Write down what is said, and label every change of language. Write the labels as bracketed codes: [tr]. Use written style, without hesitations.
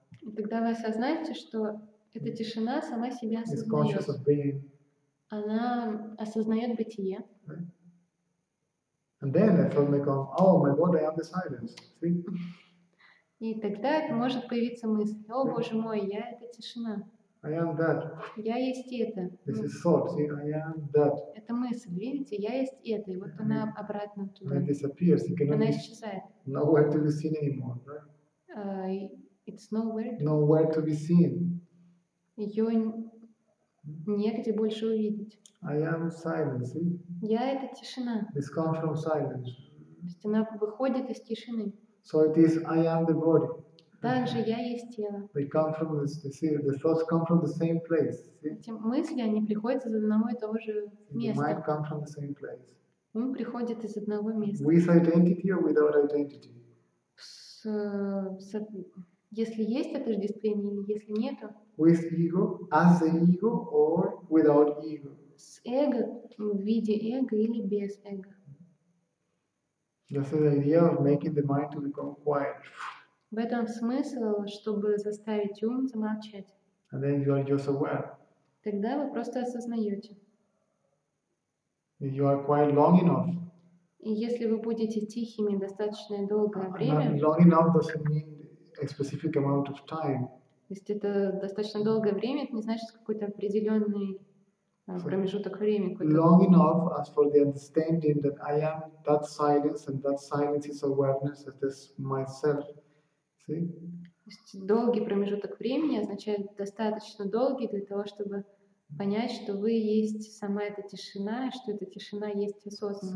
[ru] И тогда вы осознаете, что эта тишина сама себя осознает. Она осознает бытие. [en] And then it suddenly comes, oh my God, I am the silence. See? [ru] И тогда может появиться мысль, о Боже мой, я это тишина. [en] I am that. [ru] Я есть это. [en] This is thought, see, I am that. [ru] Это мысль, видите, я есть это. И вот она обратно туда. [en] When it disappears, it cannot [ru] она исчезает. [en] Nowhere to be seen anymore, right? It's nowhere. Nowhere to be seen. [ru] Ее негде больше увидеть. [en] I am silence, see? [ru] Я это тишина. [en] This comes from silence. [ru] То есть она выходит из тишины. [en] So it is I am the body. [ru] Также я есть тело. [en] They come from the thoughts come from the same place. [ru] Эти мысли они приходят из одного и того же места. [en] The mind come from the same place. [ru] Ум приходит из одного места. [en] With identity or without identity. [ru] Если есть отождествление или если нету. [en] With ego, as the ego or without ego. [ru] С эго в виде эго или без эго. [en] That's the idea of making the mind to become quiet. [ru] В этом смысл, чтобы заставить ум замолчать. [en] And then you are just aware. [ru] Тогда вы просто осознаете. [en] You are quiet long enough. [ru] И если вы будете тихими достаточно долгое время. [en] And long enough doesn't mean a specific amount of time. [ru] То есть это достаточно долгое время, это не значит какой-то определенный промежуток времени. [en] Long enough as for the understanding that I am that silence and that silence is awareness that is myself. See? [ru] Долгий промежуток времени означает достаточно долгий для того, чтобы понять, что вы есть сама эта тишина, и что эта тишина есть осознанность.